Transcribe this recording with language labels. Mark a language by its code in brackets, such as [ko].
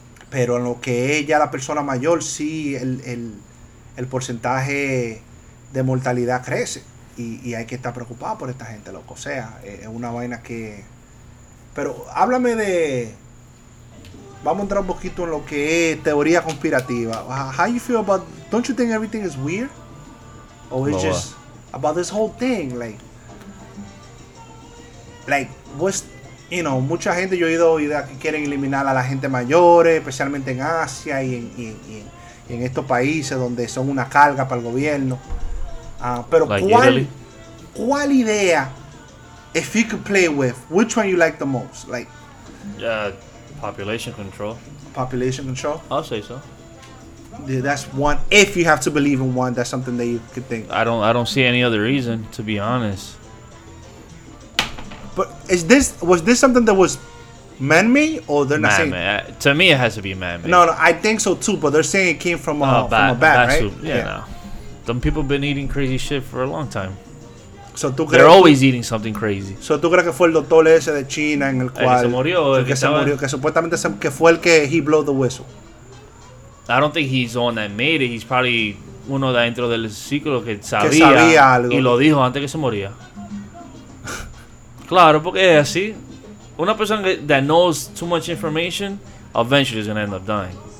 [es] Pero en lo que es ya la persona mayor, sí, el porcentaje de mortalidad crece. Y hay que estar preocupado por esta gente, loco. O sea, es una vaina que... Pero háblame de... Vamos a entrar un poquito en lo que es teoría conspirativa. [en] How you feel about... Don't you think everything is weird? Or it's just about this whole thing, like, what's... You know, [es] mucha gente, yo he oído ideas que quieren eliminar a la gente mayores, especialmente en Asia y en estos países donde son una carga para el gobierno. Pero like ¿cuál idea, [en] if you could play with, which one you like the most? Like, Population control. Population control? I'll say so. That's one, if you have to believe in one, that's something that you could think. I don't see any other reason, to be honest. But was this something that was man-made or they're not saying? Man-made. To me, it has to be man-made. No, I think so too. But they're saying it came from a bat, right? Some people been eating crazy shit for a long time. So [es] tú crees? [en] They're always eating something crazy. [es] So tú crees que fue el doctor ese de China en el cual el que se murió, que supuestamente que fue el que [en] he blew the whistle. I don't think he's the one that made it. He's probably [es] uno de dentro del ciclo que sabía algo y lo dijo antes que se moría. Claro, porque es así. Una persona [en] that knows too much information eventually is going to end up dying.